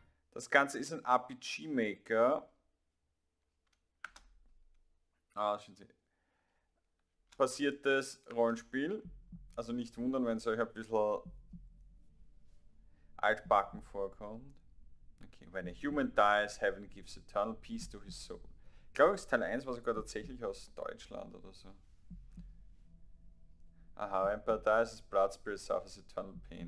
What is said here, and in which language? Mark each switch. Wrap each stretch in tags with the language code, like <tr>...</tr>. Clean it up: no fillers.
<de>Das Ganze ist ein RPG Maker. Ah, schön. Basiertes Rollenspiel. Also nicht wundern, wenn es euch ein bisschen altbacken vorkommt.</de> <en>Okay, when a human dies, heaven gives eternal peace to his soul.</en> <de>Ich glaube, Teil 1 war sogar tatsächlich aus Deutschland oder so.</de> <en>Aha, when a dies, his blood spirit suffers eternal pain.</en>